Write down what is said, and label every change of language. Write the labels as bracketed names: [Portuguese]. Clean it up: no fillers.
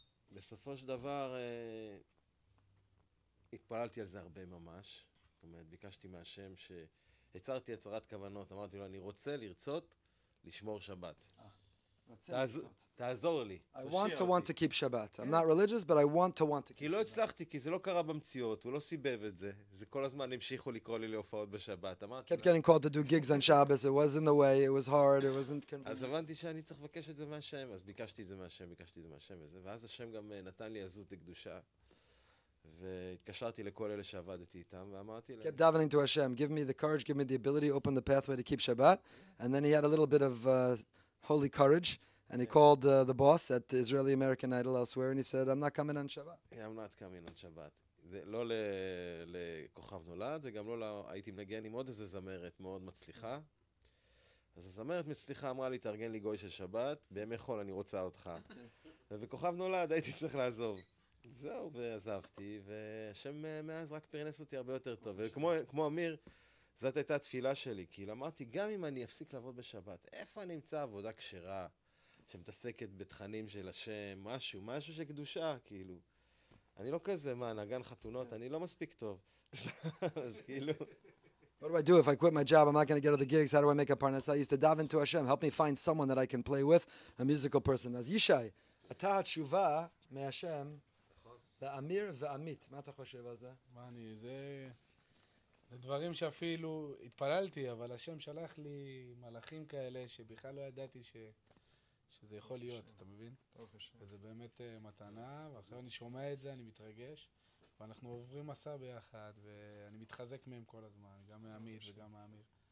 [Hebrew] ובסופו של דבר התפללתי על זה הרבה ממש. זאת אומרת, ביקשתי מהשם ש... הצרתי הצהרת כוונות, אמרתי לו, אני רוצה לרצות לשמור שבת. תעזור לי. [English] I want to want to keep Shabbat. I'm not religious, but I want to want to keep Shabbat. [Hebrew] כי לא הצלחתי, כי זה לא קרה במציאות, הוא לא סיבב את זה. זה כל הזמן המשיכו לקרוא לי להופעות בשבת. אמרתי לו. [English] Kept getting called to do gigs on Shabbos. It was in the way, it was hard, it wasn't convenient. [Hebrew] אז הבנתי שאני צריך לבקש את זה מהשם, אז ביקשתי את זה מהשם, ביקשתי את זה מהשם וזה. ואז השם גם נתן לי עזות לקדושה. והתקשרתי לכל אלה שעבדתי איתם ואמרתי להם [English] kept davening to Hashem, give me the courage, give me the ability, open the pathway to keep Shabbat. And then he had a little bit of holy courage and he called the boss at the Israeli American Idol elsewhere and he said, I'm not coming on Shabbat. I'm not coming on Shabbat. [Hebrew] לא לכוכב נולד וגם לא הייתי מנגן עם עוד איזה זמרת מאוד מצליחה. אז הזמרת מצליחה אמרה לי, תארגן לי גוי של שבת, בימי חול אני רוצה אותך. ובכוכב נולד הייתי צריך לעזוב. זהו, ועזבתי, והשם מאז רק פרנס אותי הרבה יותר טוב. וכמו אמיר, זאת הייתה התפילה שלי, כי אמרתי, גם אם אני אפסיק לעבוד בשבת, איפה אני אמצא עבודה כשרה, שמתעסקת בתכנים של השם, משהו, משהו שקדושה, כאילו. אני לא כזה, מה, נגן חתונות, אני לא מספיק טוב. אז כאילו... [English] What do I do if I quit my job? I'm not going to get other gigs. How do I make a parnasa? I used to dive into Hashem. Help me find someone that I can play with, a musical person. [Hebrew] אז ישי, אתה התשובה מהשם... ואמיר ועמית, מה אתה חושב על זה? מה אני, זה דברים שאפילו התפללתי, אבל השם שלח לי מלאכים כאלה שבכלל לא ידעתי שזה יכול להיות, אתה מבין? וזה באמת מתנה, ואחרי אני שומע את זה, אני מתרגש, ואנחנו עוברים מסע ביחד, ואני מתחזק מהם כל הזמן, גם מעמית וגם מאמיר.